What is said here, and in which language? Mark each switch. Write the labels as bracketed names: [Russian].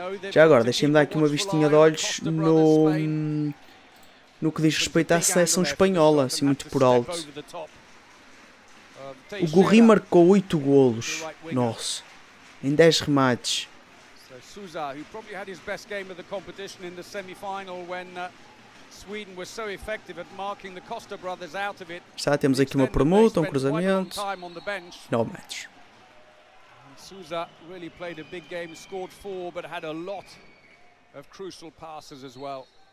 [Portuguese] Já agora, deixem-me dar aqui uma vistinha de olhos no que diz respeito à seleção espanhola, assim muito por alto. O Gurri marcou 8 golos, nossa, em 10 remates. [English] Souza, who probably had his best game of the competition in the semi-final when Sweden was so effective at marking the Costa brothers out of it. [Portuguese] Já temos aqui uma permuta, um cruzamento. Não match. [English] Souza really played a big game, scored four, but had a lot of crucial passes as well.